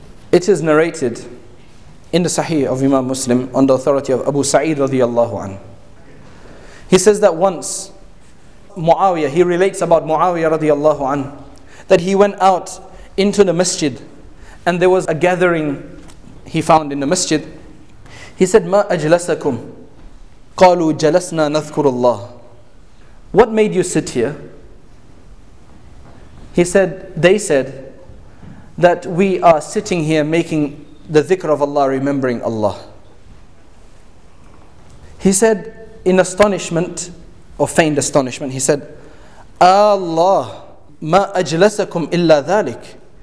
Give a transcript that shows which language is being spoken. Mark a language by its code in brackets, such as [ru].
[en] It is narrated in the Sahih of Imam Muslim on the authority of Abu Sa'id radiyallahu anhu. He says that once Muawiyah, he relates about Muawiyah radiyallahu anhu, that he went out into the masjid and there was a gathering he found in the masjid. [ar] He said, ما أجلسكم؟ قالوا جلسنا نذكر الله. [en] What made you sit here? He said, they said, that we are sitting here making the dhikr of Allah, remembering Allah. He said, in astonishment, or feigned astonishment, he said, Allah, [ar] ma ajlasakum illa dhalik.